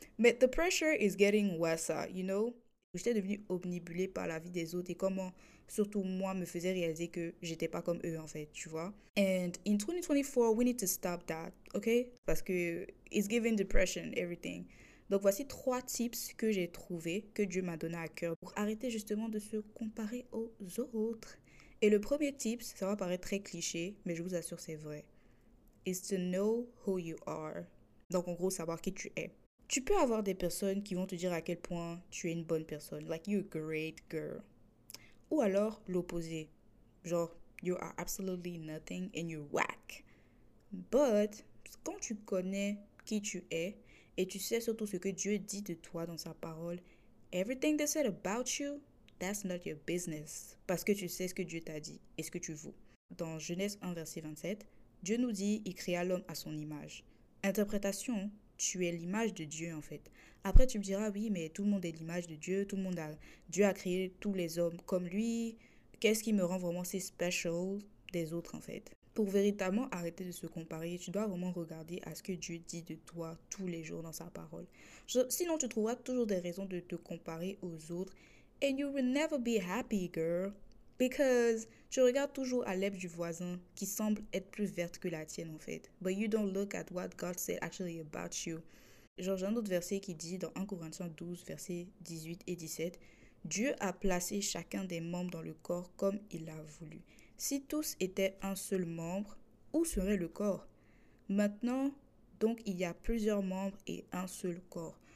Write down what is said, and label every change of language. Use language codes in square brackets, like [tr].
[en] But the pressure is getting worse, you know? [fr] J'étais devenue obnubilée par la vie des autres et comment, surtout moi, me faisait réaliser que j'étais pas comme eux, en fait, tu vois? [en] And in 2024, we need to stop that, okay? [fr] Parce que [en] it's giving depression, everything. [fr] Donc voici trois tips que j'ai trouvé, que Dieu m'a donné à cœur pour arrêter justement de se comparer aux autres. Et le premier tips, ça va paraître très cliché, mais je vous assure, c'est vrai. [en] Is to know who you are. [fr] Donc en gros, savoir qui tu es. Tu peux avoir des personnes qui vont te dire à quel point tu es une bonne personne. [en] Like, you're a great girl. [fr] Ou alors, l'opposé. [en] Genre, you are absolutely nothing and you're whack. [fr] But, quand tu connais qui tu es, et tu sais surtout ce que Dieu dit de toi dans sa parole, [en] everything they said about you, that's not your business. [fr] Parce que tu sais ce que Dieu t'a dit et ce que tu veux. Dans Genèse 1, verset 27, Dieu nous dit, il créa l'homme à son image. Interprétation, tu es l'image de Dieu en fait. Après tu me diras, oui mais tout le monde est l'image de Dieu, tout le monde a, Dieu a créé tous les hommes comme lui. Qu'est-ce qui me rend vraiment si special des autres en fait? Pour véritablement arrêter de se comparer, tu dois vraiment regarder à ce que Dieu dit de toi tous les jours dans sa parole. Sinon, tu trouveras toujours des raisons de te comparer aux autres. [en] And you will never be happy, girl. Because [fr] tu regardes toujours à l'herbe du voisin qui semble être plus verte que la tienne, en fait. [en] But you don't look at what God said actually about you. [fr] Genre, j'ai un autre verset qui dit dans 1 Corinthiens 12, versets 18 et 17. Dieu a placé chacun des membres dans le corps comme il l'a voulu. Si tous étaient un seul membre, où serait le corps? Maintenant, donc, il y a plusieurs membres et un seul corps.